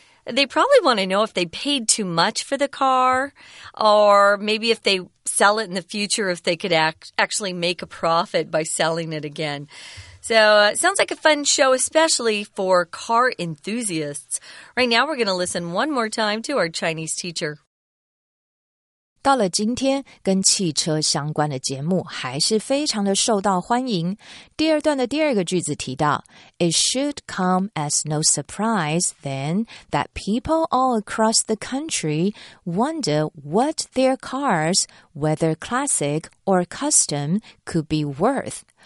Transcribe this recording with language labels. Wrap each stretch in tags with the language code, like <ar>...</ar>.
<en>They probably want to know if they paid too much for the car, or maybe if they sell it in the future, if they could actually make a profit by selling it again. So it sounds like a fun show, especially for car enthusiasts. Right now, we're going to listen one more time to our Chinese teacher.</en> <zh>到了今天，跟汽车相关的节目还是非常的受到欢迎。第二段的第二个句子提到</zh> <en>It should come as no surprise then that people all across the country wonder what their cars, whether classic or custom, could be worth.</en>